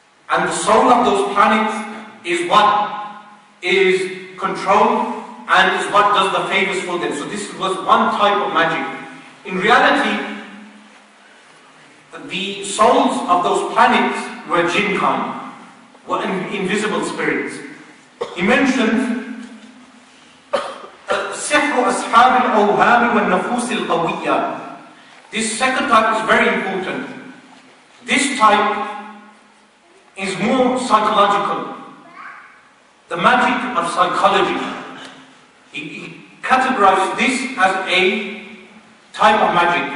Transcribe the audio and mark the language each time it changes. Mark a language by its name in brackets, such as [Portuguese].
[English] And the soul of those planets is what is controlled and is what does the favors for them. So this was one type of magic. In reality, the souls of those planets were jinn-kind, were invisible spirits. He mentioned, [Arabic] سحر أصحاب الأوهام والنفوس القوية. [English] This second type is very important. This type is more psychological. The magic of psychology. He categorized this as a type of magic.